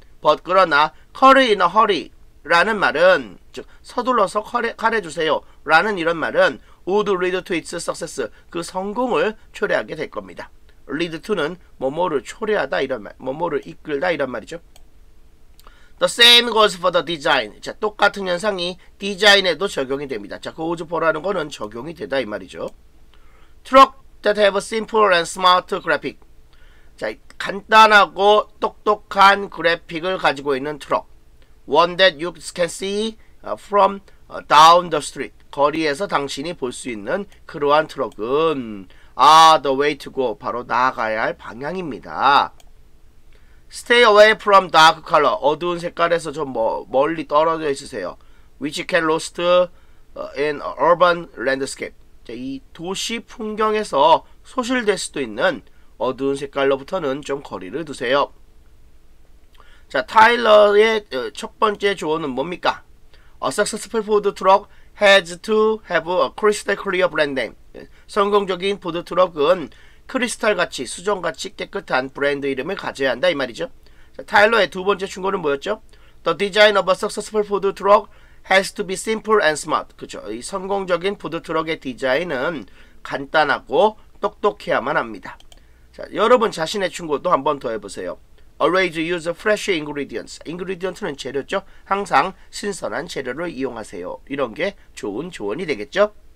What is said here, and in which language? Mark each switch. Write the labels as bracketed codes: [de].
[ko] But 그러나 [en] curry in a hurry [ko] 라는 말은 즉 서둘러서 카레 주세요 라는 이런 말은 [en] would lead to its success, [ko] 그 성공을 초래하게 될 겁니다. lead to는 뭐뭐를 초래하다 이런 말, 뭐뭐를 이끌다 이런 말이죠. [en] The same goes for the design. [ko] 자, 똑같은 현상이 디자인에도 적용이 됩니다. 자, goes for라는 거는 적용이 되다 이 말이죠. [en] Truck that have a simple and smart graphic. [ko] 자, 간단하고 똑똑한 그래픽을 가지고 있는 트럭. [en] One that you can see from down the street. [ko] 거리에서 당신이 볼 수 있는 그러한 트럭은 [en] the way to go. [ko] 바로 나아가야 할 방향입니다. [en] Stay away from dark color. [ko] 어두운 색깔에서 좀 멀리 떨어져 있으세요. [en] Which can lost in urban landscape. [ko] 자, 이 도시 풍경에서 소실될 수도 있는 어두운 색깔로부터는 좀 거리를 두세요. 자, 타일러의 첫 번째 조언은 뭡니까? [en] A successful food truck has to have a crystal clear brand name. [ko] 성공적인 푸드트럭은 크리스탈같이, 수정같이 깨끗한 브랜드 이름을 가져야 한다, 이 말이죠. 자, 타일러의 두 번째 충고는 뭐였죠? [en] The design of a successful food truck has to be simple and smart. [ko] 그죠. 이 성공적인 푸드트럭의 디자인은 간단하고 똑똑해야만 합니다. 자, 여러분 자신의 충고도 한번 더 해보세요. [en] Always use fresh ingredients. [ko] Ingredient는 재료죠. 항상 신선한 재료를 이용하세요. 이런 게 좋은 조언이 되겠죠.